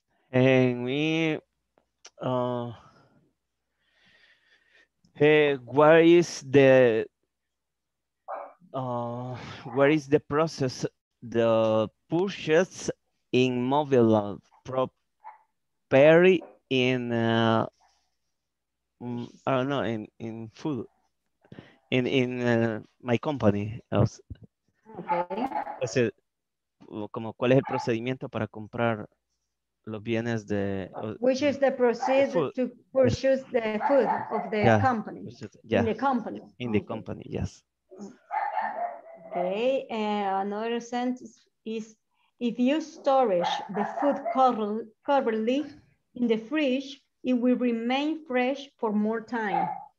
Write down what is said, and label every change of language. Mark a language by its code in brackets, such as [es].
[en] And we, where is the process, the purchase in mobile property in, I don't know, in food, in my company. Okay. [es] Es como, ¿cuál es el procedimiento para comprar los bienes de... [en] Which is the procedure to purchase the food of the company. Yeah. In the company. In the company, yes. Okay, another sentence is, if you storage the food correctly in the fridge, it will remain fresh for more time.